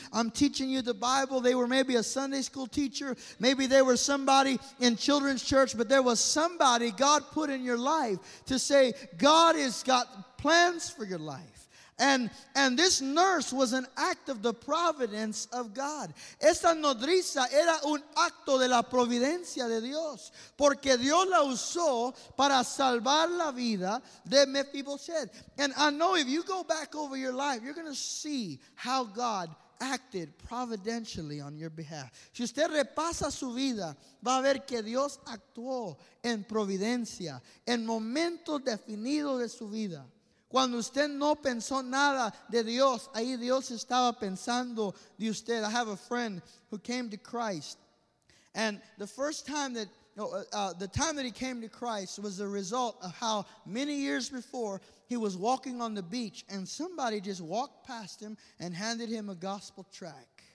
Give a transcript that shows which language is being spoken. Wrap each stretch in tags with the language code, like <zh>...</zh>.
<en>I'm teaching you the Bible. They were maybe a Sunday school teacher. Maybe they were somebody in children's church. But there was somebody God put in your life to say, God has got plans for your life. And this nurse was an act of the providence of God.</en> <es>Esta nodriza era un acto de la providencia de Dios, porque Dios la usó para salvar la vida de Mephibosheth.</es> <en>And I know if you go back over your life, you're going to see how God acted providentially on your behalf.</en> <es>Si usted repasa su vida, va a ver que Dios actuó en providencia, en momentos definidos de su vida. Cuando usted no pensó nada de Dios, ahí Dios estaba pensando de usted.</es> <en>I have a friend who came to Christ. And the first time that, the time that he came to Christ was the result of how many years before he was walking on the beach and somebody just walked past him and handed him a gospel tract.</en>